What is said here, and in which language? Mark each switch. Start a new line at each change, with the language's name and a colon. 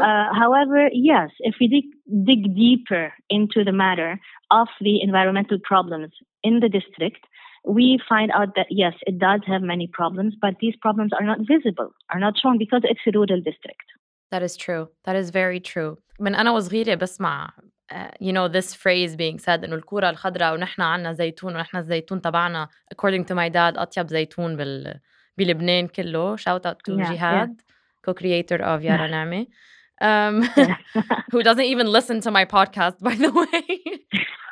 English: However, yes, if we dig deeper into the matter of the environmental problems in the district, we find out that, yes, it does have many problems, but these problems are not visible, are not shown, because it's a rural district. That is true. That is very true.
Arabic: من أنا وصغيرة بسمع,
English: you know, this phrase being said,
Arabic: إنه الكورة الخضراء ونحن عنا زيتون ونحن الزيتون تبعنا,
English: according to my dad,
Arabic: أطيب زيتون بلبنان كله.
English: Shout out to Jihad, co-creator of Yara Naami, who doesn't even listen to my podcast, by the way.